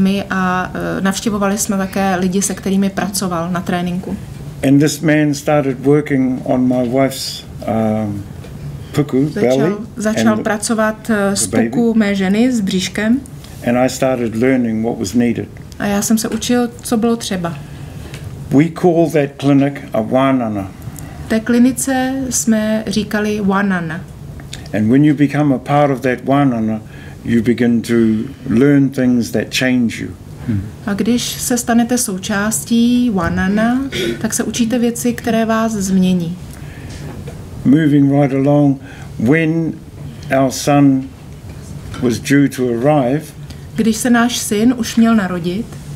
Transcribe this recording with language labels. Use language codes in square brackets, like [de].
[cs] A navštěvovali jsme také lidi, se kterými pracoval na tréninku. [en] And this man started working on my wife's puku, belly. [cs] Začal pracovat s puku mé ženy s bříškem. [en] And I started learning what was needed. [cs] A já jsem se učil, co bylo třeba. [en] We call that clinic a wānana. [cs] Té klinice jsme říkali wānana. [en] And when you become a part of that wānana, you begin to learn things that change you. [cs] A když se stanete součástí wānana, tak se učíte věci, které vás změní. [en] Moving right along, when our son was due to arrive, [cs] když se náš syn už měl narodit.